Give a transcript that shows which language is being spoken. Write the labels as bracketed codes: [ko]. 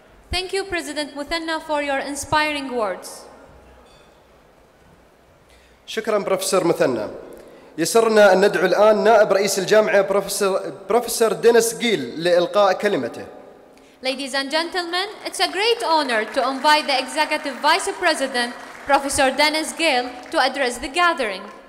[en] Thank you, President Muthanna, for your inspiring words. [ar] شكراً بروفيسور مثنى. يسرنا أن ندعو الآن نائب رئيس الجامعة بروفيسور دينيس جيل لإلقاء كلمته. [en] Ladies and gentlemen, it's a great honor to invite the Executive Vice President, Professor Dennis Gill, to address the gathering.